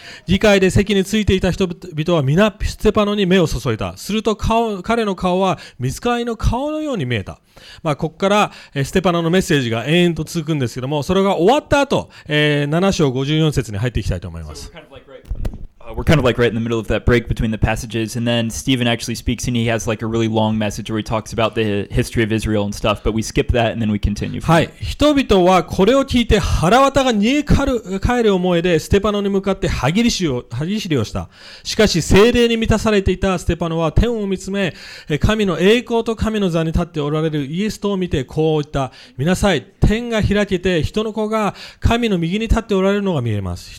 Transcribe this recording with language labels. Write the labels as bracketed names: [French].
[Japanese] 議会で席についていた人々は皆ステパノに目を注いだ。すると彼の顔は水飼いの顔のように見えた。まあ、ここからステパノのメッセージが延々と続くんですけども、それが終わった後、7章54節に入っていきたいと思います。 [English] We're kind of like right in the middle of that break between the passages, and then Stephen actually speaks, and he has like a really long message where he talks about the history of Israel and stuff. But we skip that, and then we continue. [Japanese] はい、人々はこれを聞いて腹渡が煮えかる帰る思いでステパノに向かって歯ぎしりをした。しかし聖霊に満たされていたステパノは天を見つめ、神の栄光と神の座に立っておられるイエスとを見てこう言った。見なさい、天が開けて人の子が神の右に立っておられるのが見えます。